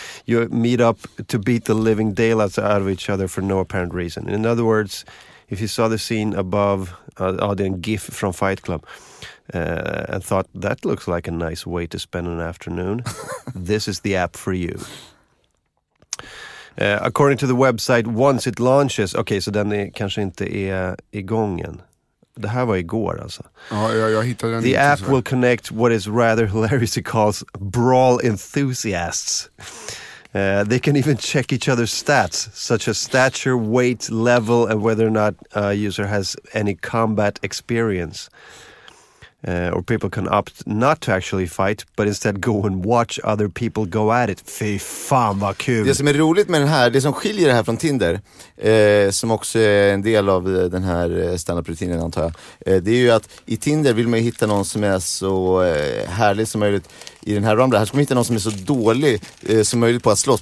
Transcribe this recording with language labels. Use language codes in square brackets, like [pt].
[en] You meet up to beat the living daylights out of each other for no apparent reason. In other words, if you saw the scene above, the GIF from Fight Club, and thought, that looks like a nice way to spend an afternoon, this is the app for you. According to the website, once it launches... [sv] Okay, så den kanske inte är igång än. Det här var igår alltså. Ja, jag hittade den. [en] The app will connect what is rather hilarious to call brawl enthusiasts. They can even check each other's stats, such as stature, weight, level, and whether or not a user has any combat experience. Or people can opt not to actually fight, but instead go and watch other people go at it. [sv] Fy fan vad kul. Det som är roligt med den här, det som skiljer det här från Tinder, som också är en del av den här standardrutinen antar jag, det är ju att i Tinder vill man ju hitta någon som är så härlig som möjligt. I den här ramla här ska man hitta någon som är så dålig som möjligt på att slåss.